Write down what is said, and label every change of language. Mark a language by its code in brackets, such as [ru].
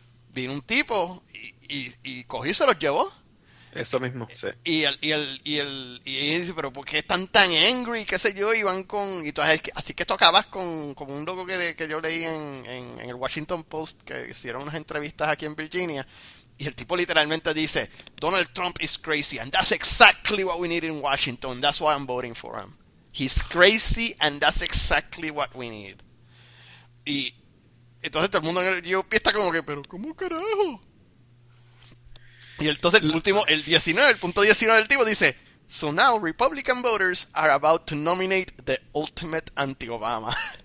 [es] Vino un tipo y cogió y se los llevó. Eso mismo, sí. Y él dice: "Pero ¿por qué están tan angry?" ¿Qué sé yo? Y van con... Y tú, así que tú acabas con un loco que yo leí en el Washington Post, que hicieron unas entrevistas aquí en Virginia. Y el tipo literalmente dice: [en] "Donald Trump is crazy, and that's exactly what we need in Washington. That's why I'm voting for him. He's crazy, and that's exactly what we need." [es] Y entonces todo el mundo en el GOP está como que: "¿Pero cómo carajo?" Y entonces el último, el 19, el punto 19 del tipo dice: [en] "So now Republican voters are about to nominate the ultimate anti-Obama."